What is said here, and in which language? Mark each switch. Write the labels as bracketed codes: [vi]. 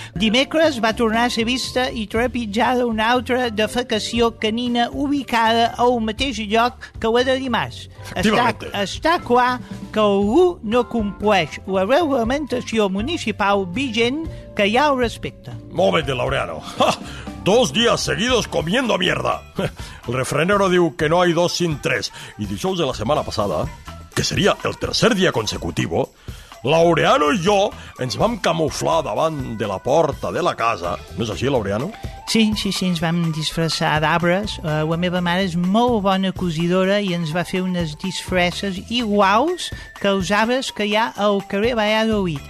[ca] Dimecres va tornar a ser vista i trepitjada una altra defecació canina ubicada al mateix lloc que la de dimarts. Està clar que algú no compleix la reglamentació municipal vigent que hi ha al respecte. Molt bé, Laureano. Ha! [es] Dos días seguidos comiendo mierda. El refrenero diu que no hay dos sin tres. Y dijous de la semana pasada, que sería el tercer día consecutivo, [ca] Laureano i jo ens vam camuflar davant de la porta de la casa. No és així, Laureano? Sí, sí, sí, ens vam disfressar d'arbres. La meva mare és molt bona cosidora i ens va fer unes disfresses iguals que els arbres que hi ha al carrer Valladolid.